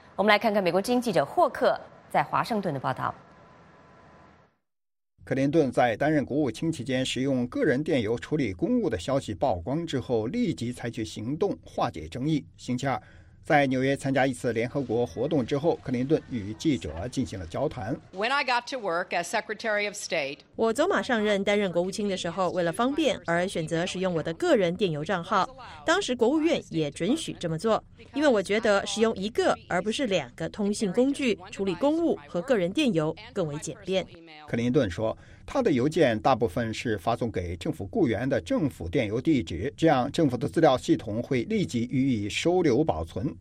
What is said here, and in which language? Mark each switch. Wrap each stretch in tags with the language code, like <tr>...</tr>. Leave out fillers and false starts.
<zh>我们来看看美国之音记者霍克在华盛顿的报道。克林顿在担任国务卿期间使用个人电邮处理公务的消息曝光之后，立即采取行动化解争议。星期二，在纽约参加一次联合国活动之后，克林顿与记者进行了交谈。</zh> <en>When I got to work as Secretary of State,</en> <zh>我走马上任担任国务卿的时候，为了方便而选择使用我的个人电邮账号。当时国务院也准许这么做，因为我觉得使用一个而不是两个通信工具处理公务和个人电邮更为简便。克林顿说，他的邮件大部分是发送给政府雇员的政府电邮地址，这样政府的资料系统会立即予以收留保存。</zh>